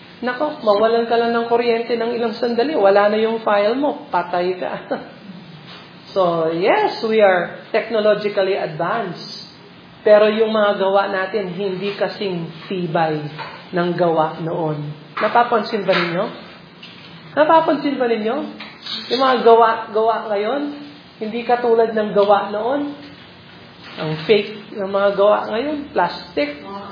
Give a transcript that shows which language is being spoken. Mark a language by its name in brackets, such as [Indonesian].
[Filipino] Nako, mawalan ka lang ng kuryente ng ilang sandali. Wala na yung file mo. Patay ka. [English] So, yes, we are technologically advanced. [Filipino] Pero yung mga gawa natin, hindi kasing tibay ng gawa noon. Napapansin ba ninyo? Napapansin ba ninyo? Yung mga gawa ngayon, hindi katulad ng gawa noon. Ang fake ng mga gawa ngayon, plastic.